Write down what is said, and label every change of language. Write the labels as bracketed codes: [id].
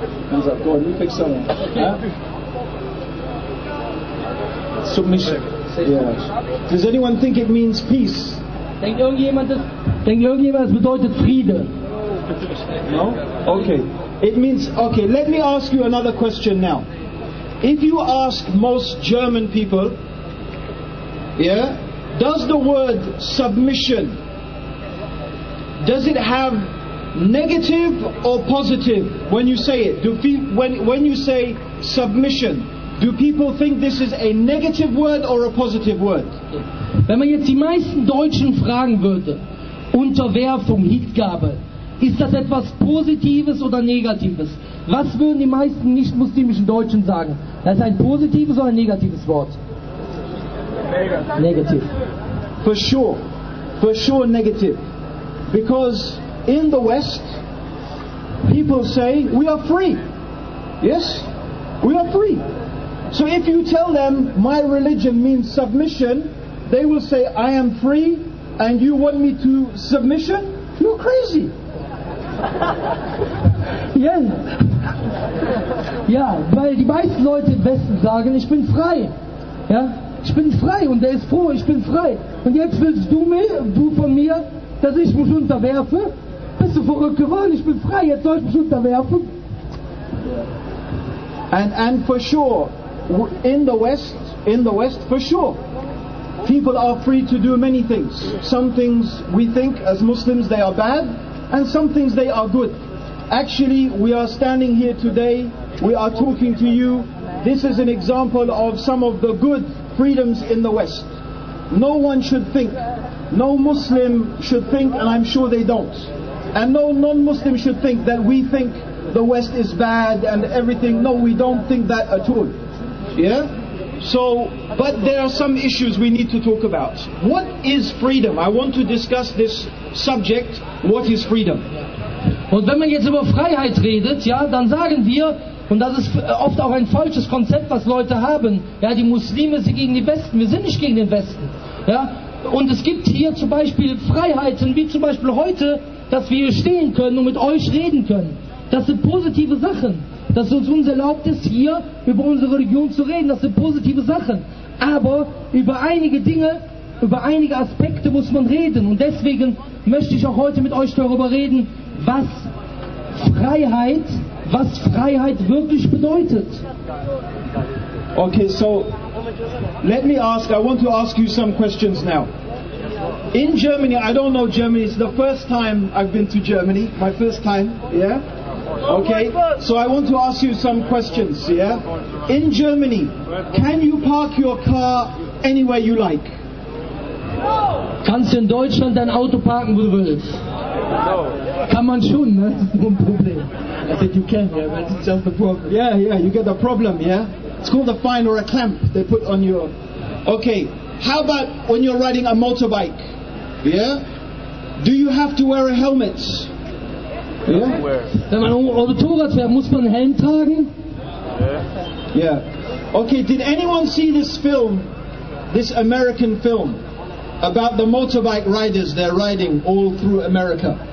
[en] Hands up, go on, you pick someone. Yeah? Submission. Yeah. Does anyone think it means peace? [de] Denkt irgendjemand, es bedeutet Friede? [en] No? Okay. Let me ask you another question now. If you ask most German people, yeah, does the word submission, does it have negative or positive when you say it? When you say submission, do people think this is a negative word or a positive word? [de] Wenn man jetzt die meisten Deutschen fragen würde, Unterwerfung, Hingabe, ist das etwas Positives oder Negatives? Was würden die meisten nicht-muslimischen Deutschen sagen? Das ist ein positives oder ein negatives Wort? [en] Negativ. For sure. For sure negative. Because in the West, people say, we are free. Yes? We are free. So if you tell them, my religion means submission, they will say, I am free, and you want me to submission? You're crazy. Yes. [de] Ja, weil die meisten Leute im Westen sagen, ich bin frei. Ja, ich bin frei und der ist froh, ich bin frei. Und jetzt willst du von mir, dass ich mich unterwerfe? Bist du verrückt geworden? Ich bin frei, jetzt soll ich mich unterwerfen? [en] And for sure, in the West, for sure, people are free to do many things. Some things we think as Muslims they are bad, and some things they are good. Actually, we are standing here today, we are talking to you. This is an example of some of the good freedoms in the West. No one should think, no Muslim should think, and I'm sure they don't. And no non-Muslim should think that we think the West is bad and everything. No, we don't think that at all. Yeah? So, but there are some issues we need to talk about. What is freedom? I want to discuss this subject. What is freedom? [de] Und wenn man jetzt über Freiheit redet, ja, dann sagen wir, und das ist oft auch ein falsches Konzept, was Leute haben, ja, die Muslime sind gegen die Westen, wir sind nicht gegen den Westen. Ja, und es gibt hier zum Beispiel Freiheiten, wie zum Beispiel heute, dass wir hier stehen können und mit euch reden können. Das sind positive Sachen. dass es uns erlaubt ist, hier über unsere Religion zu reden. Das sind positive Sachen. Aber über einige Dinge, über einige Aspekte muss man reden. Und deswegen möchte ich auch heute mit euch darüber reden, was Freiheit wirklich bedeutet. [en] Okay, so let me ask, I want to ask you some questions now. In Germany, I don't know Germany, it's the first time I've been to Germany, my first time, yeah? Okay, so I want to ask you some questions, yeah? In Germany, can you park your car anywhere you like? [de] Kannst du in Deutschland dein Auto parken, wo du willst? Kann man schon, ne? Das ist nur ein Problem. [en] I said you can, yeah, but it's just a problem. Yeah, yeah, you get the problem, yeah? It's called a fine or a clamp they put on your... Okay, how about when you're riding a motorbike? Yeah? Do you have to wear a helmet? Yeah? [de] Wenn man Motorrad fährt, muss man einen Helm tragen? [en] Yeah. Okay, did anyone see this film, this American film, about the motorbike riders they're riding all through America?